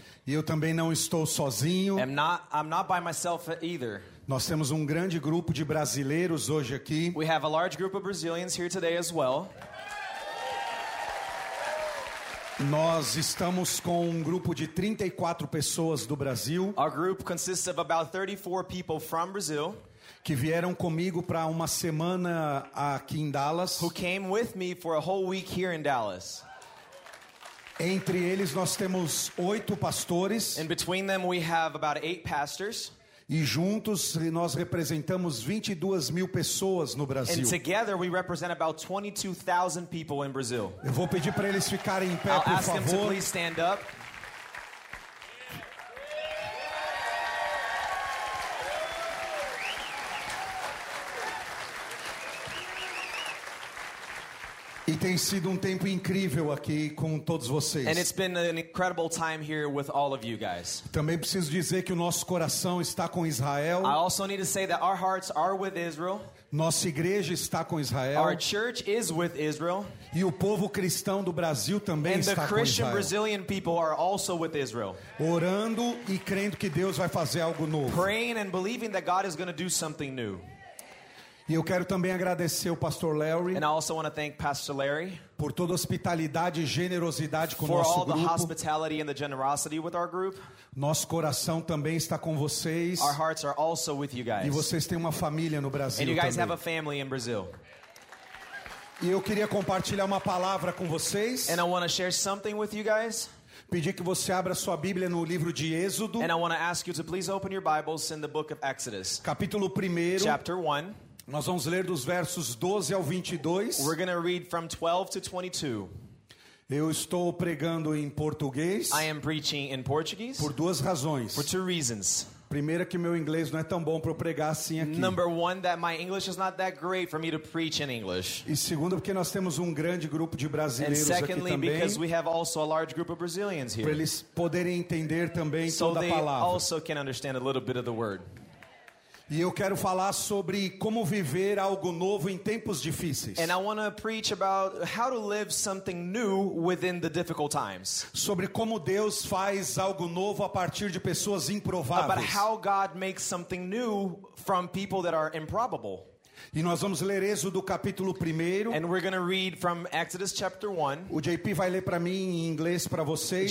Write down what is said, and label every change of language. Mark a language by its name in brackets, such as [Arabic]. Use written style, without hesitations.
[Portuguese] E eu também não estou sozinho. [English] I'm not by myself either. [Portuguese] Nós temos grande grupo de brasileiros hoje aqui. [English] We have a large group of Brazilians here today as well. [Portuguese] Nós estamos com grupo de 34 pessoas do Brasil. [English] Our group consists of about 34 people from Brazil. [Portuguese] Que vieram comigo para uma semana aqui em Dallas. [English] Who came with me for a whole week here in Dallas. [Portuguese] Entre eles nós temos 8 pastores. [English] And between them we have about 8 pastors. [Portuguese] E juntos nós representamos 22 mil pessoas no Brasil. [English] And together we represent about 22,000 people in Brazil. [Portuguese] Eu vou pedir para eles ficarem em pé, por favor. [English] I'll ask them to please stand up. [Portuguese] E tem sido tempo incrível aqui com todos vocês. [English] And it's been an incredible time here with all of you guys. [Portuguese] Também preciso dizer que o nosso coração está com Israel. [English] I also need to say that our hearts are with Israel. [Portuguese] Nossa igreja está com Israel. [English] Our church is with Israel. [Portuguese] E o povo cristão do Brasil também está com Israel. [English] And the Christian Brazilian people are also with Israel. [Portuguese] Orando e crendo que Deus vai fazer algo novo. [English] Praying and believing that God is going to do something new. [Portuguese] E eu quero também agradecer o Pastor Larry. [English] And I also want to thank Pastor Larry. [Portuguese] Por toda a hospitalidade e generosidade com o nosso grupo. [English] For all the hospitality and the generosity with our group. [Portuguese] Nosso coração também está com vocês. [English] Our hearts are also with you guys. [Portuguese] E vocês têm uma família no Brasil também. [English] And you guys have a family in Brazil. [Portuguese] E eu queria compartilhar uma palavra com vocês. [English] And I want to share something with you guys. [Portuguese] Pedir que você abra sua Bíblia no livro de Êxodo. [English] And I want to ask you to please open your Bibles in the book of Exodus. [Portuguese] Capítulo 1. [English] Chapter 1. [Portuguese] Nós vamos ler dos versos 12 ao 22. [English] We're going to read from 12 to 22. [Portuguese] Eu estou pregando em português. [English] I am preaching in Portuguese. [Portuguese] Por duas razões. [English] For two reasons. [Portuguese] Primeira, que meu inglês não é tão bom para eu pregar assim aqui. [English] Number one, that my English is not that great for me to preach in English. [Portuguese] E segundo, porque nós temos grande grupo de brasileiros aqui também. [English] And secondly, because we have also a large group of Brazilians here. [Portuguese] Para eles poderem entender também [English] so [Portuguese] toda a palavra. [English] So they also can understand a little bit of the word. [Portuguese] E eu quero falar sobre como viver algo novo em tempos difíceis. [English] And I want to preach about how to live something new within the difficult times. [Portuguese] Sobre como Deus faz algo novo a partir de pessoas improváveis. [English] About how God makes something new from people that are improbable. [Portuguese] E nós vamos ler Êxodo capítulo 1. [English] And we're going to read from Exodus chapter 1. [Portuguese] O JP vai ler para mim em inglês para vocês.